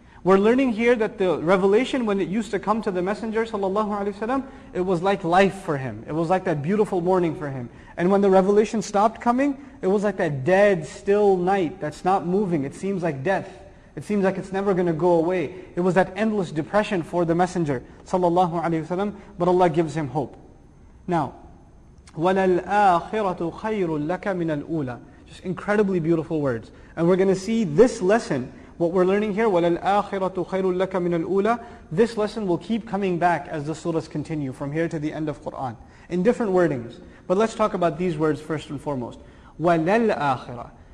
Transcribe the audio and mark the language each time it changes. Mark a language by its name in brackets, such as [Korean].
[English] We're learning here that the revelation, when it used to come to the Messenger sallallahu alaihi wasallam, it was like life for him. It was like that beautiful morning for him. And when the revelation stopped coming, it was like that dead, still night that's not moving. It seems like death. It seems like it's never going to go away. It was that endless depression for the Messenger sallallahu alaihi wasallam. But Allah gives him hope. [Arabic] Now, وَلَلْآخِرَةُ خَيْرٌ لَكَ مِنَ الْأُولَى. [English] Just incredibly beautiful words. And we're going to see this lesson, what we're learning here, [Arabic] وَلَلْآخِرَةُ خَيْرٌ لَكَ مِنَ الْأُولَى. [English] This lesson will keep coming back as the surahs continue from here to the end of Qur'an, in different wordings. But let's talk about these words first and foremost. [Arabic] وَلَلْآخِرَةُ.